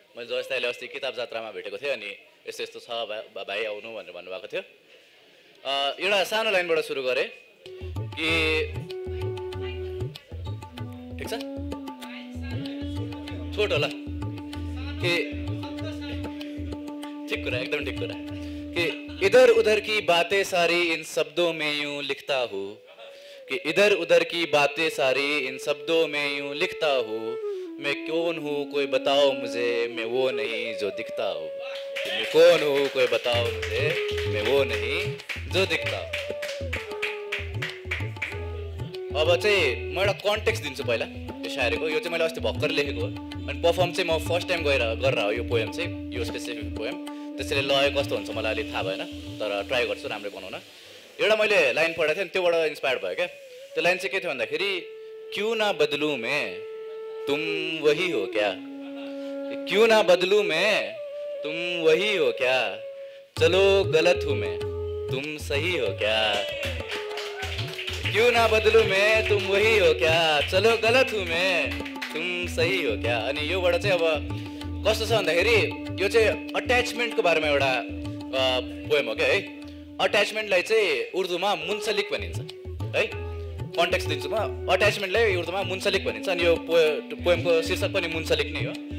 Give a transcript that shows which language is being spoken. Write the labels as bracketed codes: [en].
[ne] मैले जो यस्तो अहिले अस्ति किताब जात्रामा भेटेको थिएँ, अनि यस्तो यस्तो छ भाइ आउनु भनेर भन्नुभएको थियो। एउटा सानो लाइनबाट सुरु गरेँ कि ठिक छ छोटो ल कि ठिक कुरा, एकदम ठिक कुरा कि [hi] इधर उधर की बातें सारी इन शब्दों में यूँ लिखता हूँ। कि इधर उधर की बातें सारी इन शब्दों में यूँ लिखता हूँ। मैं कौन हूँ कोई बताओ मुझे, मैं वो नहीं जो दिखता हो। मैं कौन हूँ कोई बताओ मुझे, मैं वो नहीं जो दिखता हो। [ne] अब चाहिँ म एउटा कन्टेक्स्ट दिन्छु पहिला यो शायरीको। यो चाहिँ मैले अस्ति भर्खर लेखेको हो, अनि पर्फर्म चाहिँ म फर्स्ट टाइम गरेर हो यो पोएम चाहिँ, यो स्पेसिफिक पोएम। त्यसैले लय कस्तो हुन्छ मलाई अलिक थाहा भएन, तर ट्राई गर्छु राम्रै बनाउन। एउटा मैले लाइन पढाएको थिएँ, त्योबाट इन्सपायर भयो क्या। त्यो लाइन चाहिँ के थियो भन्दाखेरि, [hi] क्यों ना बदलू मैं तुम वही हो क्या, क्यों ना बदलू मैं तुम वही हो क्या, चलो गलत हूँ मैं तुम सही हो क्या। क्यों ना बदलू मैं तुम वही हो क्या, चलो गलत हूँ मैं तुम सही हो क्या। [ne] अनि योबाट चाहिँ अब कस्तो छ भन्दाखेरि, यो चाहिँ अट्याचमेन्टको बारेमा एउटा पोएम हो क्या है। अट्याचमेन्टलाई चाहिँ उर्दूमा मुन्सलिक भनिन्छ है। कन्टेक्स दिन्छु म, अट्याचमेन्टलाई उर्दूमा मुन्सलिक भनिन्छ, अनि यो पोएमको शीर्षक पनि मुन्सलिक नै हो।